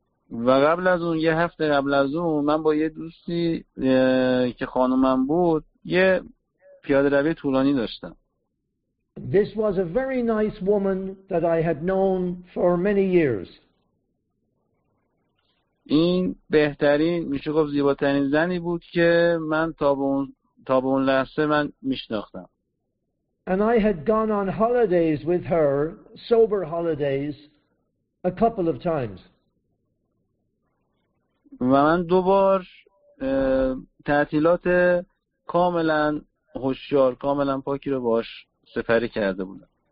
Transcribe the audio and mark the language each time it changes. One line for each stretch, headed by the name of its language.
Persian: و قبل از اون یه هفته قبل از اون من با یه دوستی که خانومم بود یه پیاده روی طولانی داشتم.
English: This was a very nice woman that I had known for many years.
Persian: این بهترین میشه گفت زیباترین زنی بود که من تا به اون لحظه من میشناختم.
English: And I had gone on holidays with her, sober holidays, a couple of times.
Persian: و من دو بار تعطیلات کاملا هوشیار کاملا پاکی رو باش سفری کرده بودم.